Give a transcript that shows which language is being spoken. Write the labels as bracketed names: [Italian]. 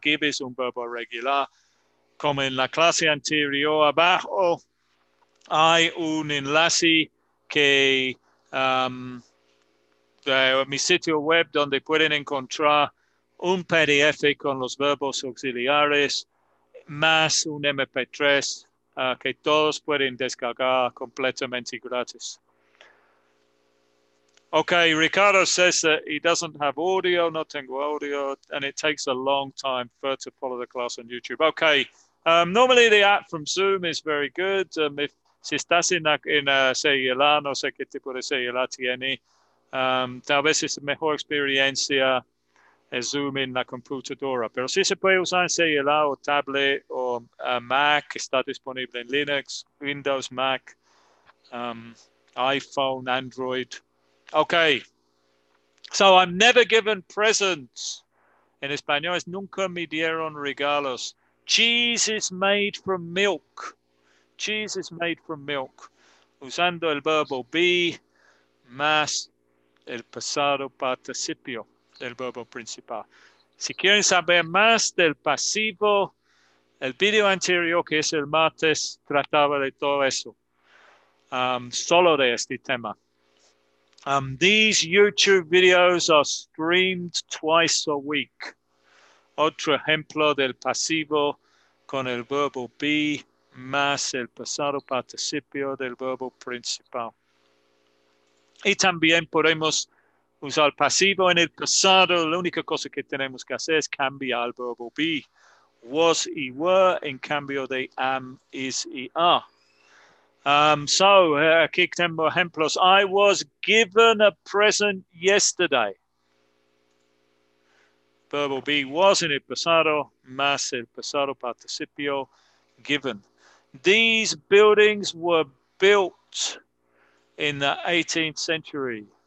[Spanish] Give es un verbo irregular. Como en la clase anterior, abajo hay un enlace que de mi sitio web donde pueden encontrar un PDF con los verbos auxiliares más un MP3 que todos pueden descargar completamente gratis. [English] Okay, Ricardo says that he doesn't have audio, [Spanish] no tengo audio, [English] and it takes a long time for to follow the class on YouTube. Okay, normally the app from Zoom is very good. [Spanish] If si estás en celular, no sé qué tipo de celular tiene, tal vez es mejor experiencia el Zoom en la computadora. Pero si se puede usar en celular o tablet o Mac, está disponible en Linux, Windows, Mac, iPhone, Android. Okay. [English] So I'm never given presents. [Spanish] En español es nunca me dieron regalos. [English] Cheese is made from milk. Cheese is made from milk. [Spanish] Usando el verbo be más el pasado participio del verbo principal. Si quieren saber más del pasivo, el video anterior, que es el martes, trataba de todo eso. Solo de este tema. [English] These YouTube videos are streamed twice a week. [Spanish] Otro ejemplo del pasivo con el verbo be más el pasado participio del verbo principal. Y también podemos usar el pasivo en el pasado. La única cosa que tenemos que hacer es cambiar el verbo be. Was y were en cambio de am, is y are. Aquí tengo ejemplos. [English] I was given a present yesterday. [Spanish] Verbo be was en el pasado, más el pasado participio, given. [English] These buildings were built in the 18th century.